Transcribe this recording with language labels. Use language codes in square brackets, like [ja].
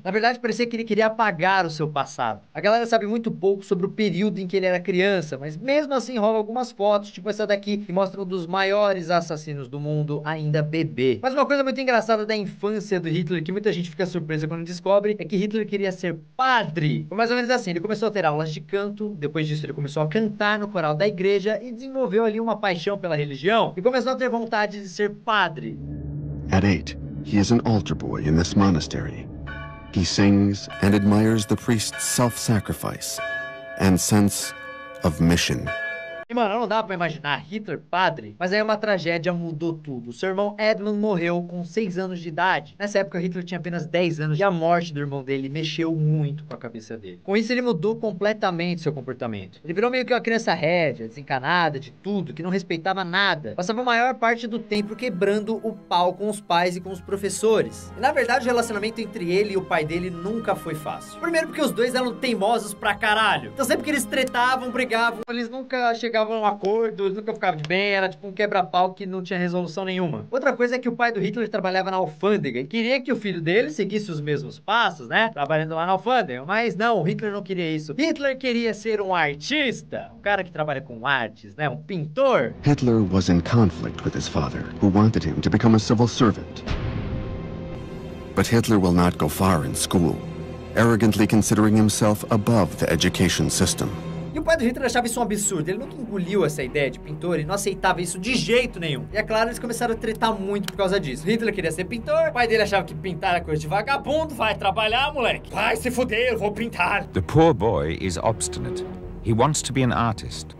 [pt] Na verdade, parecia que ele queria apagar o seu passado. A galera sabe muito pouco sobre o período em que ele era criança, mas mesmo assim rola algumas fotos, tipo essa daqui, que mostra um dos maiores assassinos do mundo, ainda bebê. Mas uma coisa muito engraçada da infância do Hitler, que muita gente fica surpresa quando descobre, é que Hitler queria ser padre. Foi mais ou menos assim, ele começou a ter aulas de canto, depois disso ele começou a cantar no coral da igreja e desenvolveu ali uma paixão pela religião e começou a ter vontade de ser padre. [en] At 8, he is an altar boy in this monastery. He sings and admires the priest's self-sacrifice and sense of mission. [pt] E, mano, não dá pra imaginar Hitler padre. Mas aí uma tragédia mudou tudo. Seu irmão Edmund morreu com 6 anos de idade. Nessa época, Hitler tinha apenas 10 anos e a morte do irmão dele mexeu muito com a cabeça dele. Com isso, ele mudou completamente seu comportamento. Ele virou meio que uma criança rédea, desencanada de tudo, que não respeitava nada. Passava a maior parte do tempo quebrando o pau com os pais e com os professores. E, na verdade, o relacionamento entre ele e o pai dele nunca foi fácil. Primeiro porque os dois eram teimosos pra caralho. Então, sempre que eles tretavam, brigavam, eles nunca chegavam a um acordo, nunca ficava de bem, era tipo um quebra-pau que não tinha resolução nenhuma. Outra coisa é que o pai do Hitler trabalhava na alfândega e queria que o filho dele seguisse os mesmos passos, né? Trabalhando lá na alfândega. Mas não, o Hitler não queria isso. Hitler queria ser um artista. Um cara que trabalha com artes, né? Um pintor. [en] Hitler was in conflict with his father, who wanted him to become a civil servant. But Hitler will not go far in school, arrogantly considering himself above the education system. [pt] E o pai do Hitler achava isso um absurdo, ele nunca engoliu essa ideia de pintor e não aceitava isso de jeito nenhum. E é claro, eles começaram a tretar muito por causa disso. Hitler queria ser pintor, o pai dele achava que pintar era coisa de vagabundo, vai trabalhar, moleque. Vai se fuder, eu vou pintar. [en] The poor boy is obstinate. He wants to be an artist.